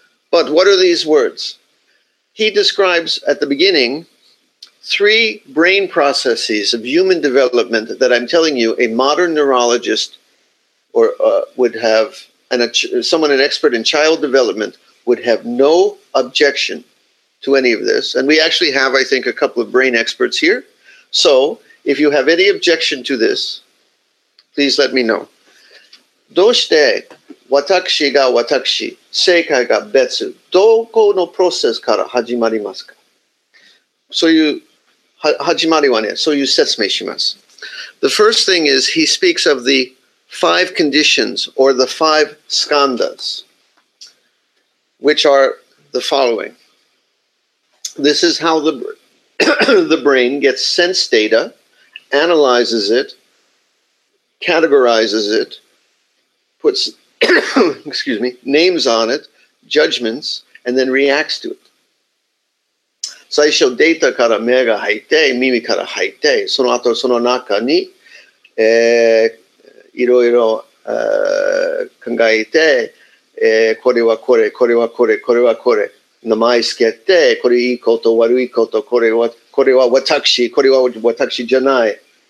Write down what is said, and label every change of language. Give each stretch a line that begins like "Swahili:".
English: But what are these words? He describes at the beginning three brain processes of human development that I'm telling you a modern neurologist or would have, and someone, an expert in child development, would have no objection to any of this. And we actually have, I think, a couple of brain experts here. So if you have any objection to this, please let me know.
Japanese: どうして私が私、世界が別、どこのプロセスから始まりますか？そういう始まりはね、そういう説明します。
English: The first thing is he speaks of the five conditions or the five skandhas, which are the following. This is how the, the brain gets sense data, analyzes it, categorizes it, puts, excuse me, names on it, judgments, and then reacts to it.
Japanese: 最初データから目が入って、耳から入って、その後その中に、いろいろ考えて、これはこれ、これはこれ、これはこれ、名前つけて、これいいこと、悪いこと、これは私じゃない。